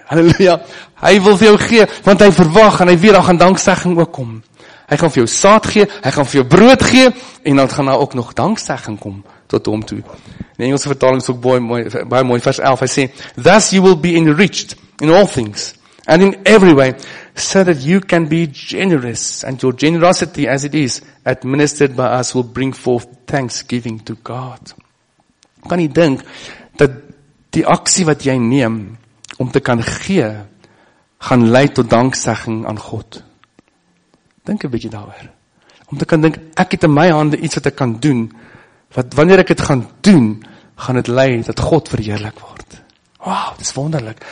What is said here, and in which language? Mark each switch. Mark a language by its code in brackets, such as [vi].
[af] Halleluja, hy wil vir jou gee, want hy verwag, en hy weet, daar gaan danksegging ook kom. Hy gaan vir jou saad gee, hy gaan vir jou brood gee, en dan gaan daar ook nog danksegging kom, tot hom toe. In Engelse vertaling is ook baie mooi, vers 11, hy sê, [en] thus you will be enriched in all things, and in every way, so that you can be generous, and your generosity as it is, administered by us, will bring forth thanksgiving to God. [af] Kan jy dink, dat die aksie wat jy neem, om te kan gee, gaan lei tot danksegging aan God. Dink 'n bietjie daaroor. Om te kan dink, ek het in my hande iets wat ek kan doen, wat wanneer ek dit gaan doen, gaan dit lei dat God verheerlik word. Wow, dis wonderlik.